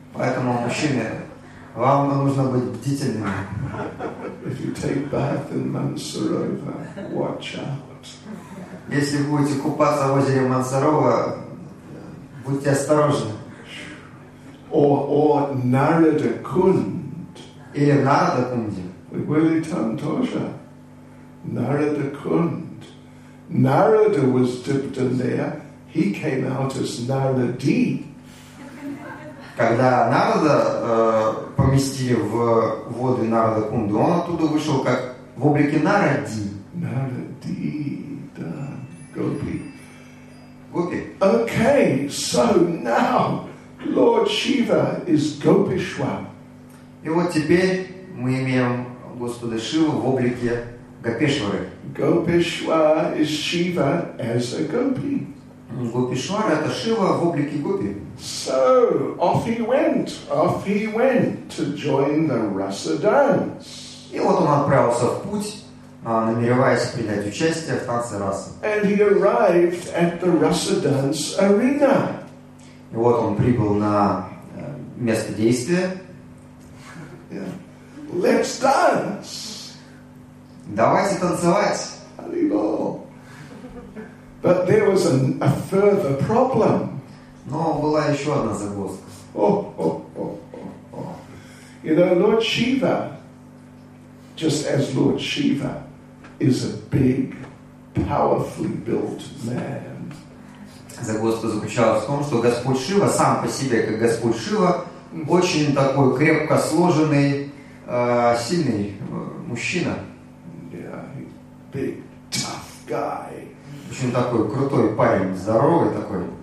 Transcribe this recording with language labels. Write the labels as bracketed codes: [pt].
[ru] Поэтому мужчины, вам нужно быть бдительными. [en] If you take bath in Mansarova, watch out. [ru] Если будете купаться в озере Мансарова, будьте осторожны. [en] Or Narada Kund. [ru] Или Narada Kund. [en] Willy Tantosha. Narada Kund. Narada was dipped in there. He came out as Naradi. [ru] Когда Narada поместили в воды Narada Kund, он оттуда вышел как в облике Naradi. Naradi, да. Gopi. [en] Gopi. Okay, so now Lord Shiva is Gopeshwar. [ru] И вот теперь мы имеем Господа Шиву в облике Гопешвары. [en] Gopeshwar is Shiva as a gopi. [ru] Гопешвар это Шива в облике гопи. [en] So off he went to join the Rasa dance. [ru] И вот он отправился в путь, намереваясь принять участие в танце Раса. [en] And he arrived at the Rasa dance arena. [ru] И вот он прибыл на место действия. [en] Yeah. Let's dance. [ru] Давайте танцевать. [en] Hallelujah. But there was a further problem. [ru] Но была еще одна загвоздка. [en] Oh. You know, Lord Shiva, just as Lord Shiva, is a big, powerfully built man. [ru] Загвоздка заключалась в том, что Господь Шива сам по себе, как Господь Шива, очень такой крепко сложенный, сильный мужчина. [en] Yeah, big, tough guy. [ru] Очень такой крутой парень, здоровый такой.